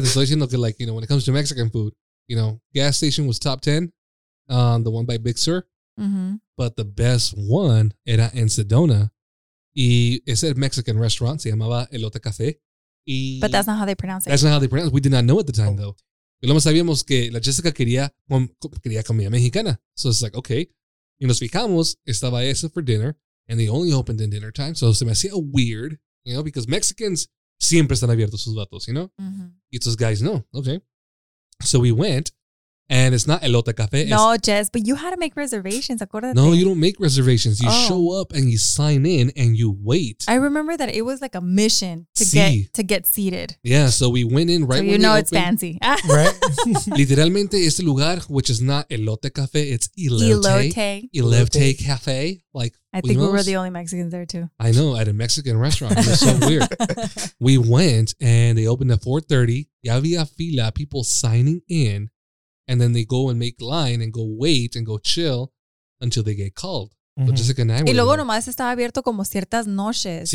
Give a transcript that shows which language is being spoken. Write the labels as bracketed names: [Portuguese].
[Spanish] Estoy diciendo que, [English] like, you know, when it comes to Mexican food, you know, gas station was top 10, the one by Big Sur. Mm-hmm. But the best one era in Sedona. [Spanish] Y ese [English] Mexican restaurant [Spanish] se llamaba [English] Elote Café. But that's not how they pronounce it. That's not how they pronounce it. We did not know at the time, though. [Spanish] Y lo más sabíamos que la Jessica quería comida mexicana. [English] So it's like, okay. [Spanish] Y nos fijamos, estaba ese [English] for dinner. And they only opened in dinner time. So [Spanish] se me hacía [English] weird, you know, because Mexicans [Spanish] siempre están abiertos sus vatos, [English] you know. Mm-hmm. [Spanish] Y estos [English] guys, no. Okay. So we went. And it's not Elote Café. No, Jess, but you had to make reservations. [Spanish] Acordate. [English] No, you don't make reservations. You show up and you sign in and you wait. I remember that it was like a mission to get seated. Yeah, so we went in right so when you know they it's fancy. Right? [Spanish] Literalmente, este lugar, [English] which is not Elote Café, it's Elote Café. Like, I think we were the only Mexicans there too. I know, at a Mexican restaurant. It was so weird. We went and they opened at 4:30. [Spanish] Ya había fila, [English] people signing in. And then they go and make line and go wait and go chill until they get called. Mm-hmm. So Jessica and I were [Spanish] y luego nomás estaba abierto como ciertas noches.